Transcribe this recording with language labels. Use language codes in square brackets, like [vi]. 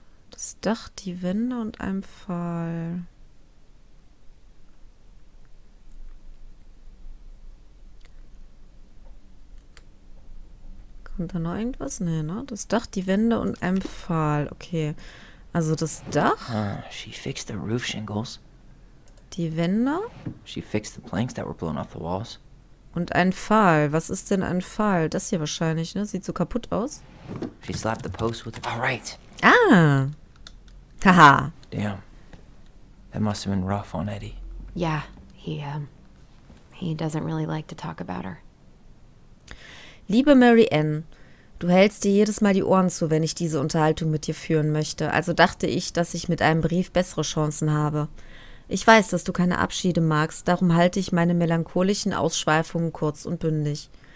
[de] Das Dach, die Wände und ein Pfahl. Kommt da noch irgendwas? Nee, ne? Das Dach, die Wände und ein Pfahl. Okay. Also das Dach. [en] She fixed the roof shingles. [de] Die Wände. [en] She fixed the planks that were blown off the walls. [de] Und ein Pfahl. Was ist denn ein Pfahl? Das hier wahrscheinlich, ne? Sieht so kaputt aus. [en] She slapped the post with... All right. Ah. Haha. Damn. That must have been rough on Eddie. Yeah. He doesn't really like to talk about her. [de] Liebe Mary Ann, du hältst dir jedes Mal die Ohren zu, wenn ich diese Unterhaltung mit dir führen möchte. Also dachte ich, dass ich mit einem Brief bessere Chancen habe. Ich weiß, dass du keine Abschiede magst, darum halte ich meine melancholischen Ausschweifungen kurz und bündig.